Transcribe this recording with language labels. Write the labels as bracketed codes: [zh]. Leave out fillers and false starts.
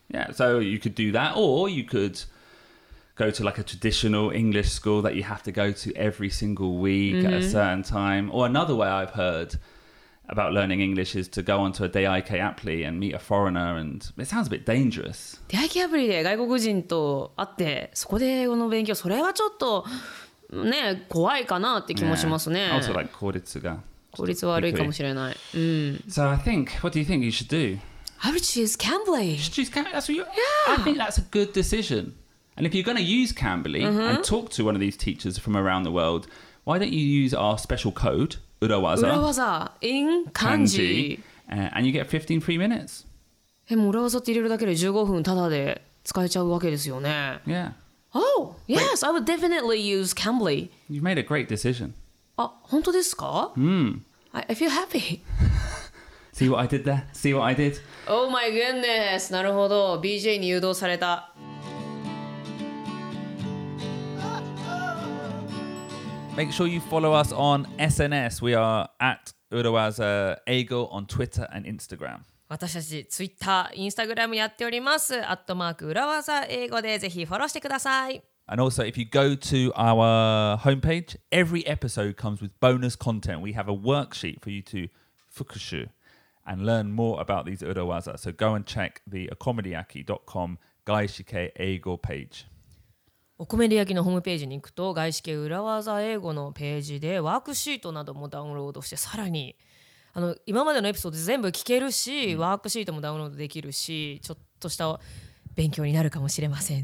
[en] Yeah, so you could do that, or you could go to like a traditional English school that you have to go to every single week at a certain time. Or another way I've heard... about learning English is to go onto a DAIK apply and meet a foreigner and it sounds a bit dangerous. [ja] DAIK apply で外国人と会ってそこで英語の勉強それはちょっとね怖いかなって気もしますね。 [en] Also like [ja] 効率が効率悪いかもしれない。 [en] So I think, what do you think you should do? I would choose Cambly. You should choose Cambly? That's what you're... Yeah! I think that's a good decision. And if you're going to use Cambly and talk to one of these teachers from around the world, why don't you use our special code? Urawaza. Urawaza in kanji. And you get 15 free minutes. [ja] え、もう裏技って入れるだけで15分タダで使えちゃうわけですよね。 [en] Yeah. Oh, yes, Wait. I would definitely use Cambly. You've made a great decision. [ja] あ、本当ですか? Hmm. [en] I feel happy. See what I did there? See what I did? Oh my goodness. [ja] なるほど。BJ に誘導された。 [en] Make sure you follow us on SNS. We are at Urawaza Eigo on Twitter and Instagram. [ja] 私たちツイッター、インスタグラムやっております。アットマーク裏技英語でぜひフォローしてください。 [en] And also, if you go to our homepage, every episode comes with bonus content. We have a worksheet for you to 復習 and learn more about these 裏技. So go and check the okomediaki.com [ja] 外資系英語ページ。おこめりやきのホームページに行くと、外資系裏技英語のページでワークシートなどもダウンロードして、さらに今までのエピソード全部聞けるし、ワークシートもダウンロードできるし、ちょっとした勉強になるかもしれません。